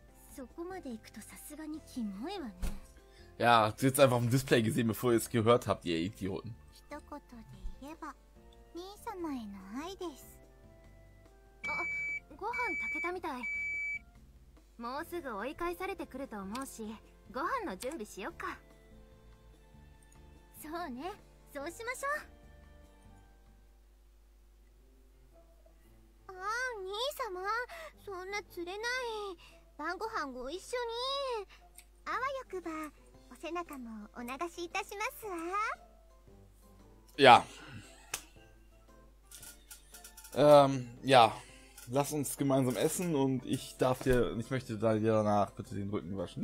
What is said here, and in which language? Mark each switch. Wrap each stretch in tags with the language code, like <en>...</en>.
<ja>そこまで行くとさすがにキモいわね。</ja> <de>Ja, du hast einfach im Display gesehen, bevor ihr es gehört habt, ihr Idioten.</de> <ja>一言で言えば、兄様への愛です。あ、ご飯炊けたみたい。もうすぐ追い返されてくると思うし、ご飯の準備しよっか。そうね、そうしましょう。ああ兄様、そんな釣れない。晩ご飯ご一緒に。あわよくばお背中もお流しいたしますわ。</ja> <de>いや、いや、lass uns gemeinsam essen und ich darf dir, ich möchte da dir danach bitte den Rücken waschen.</de>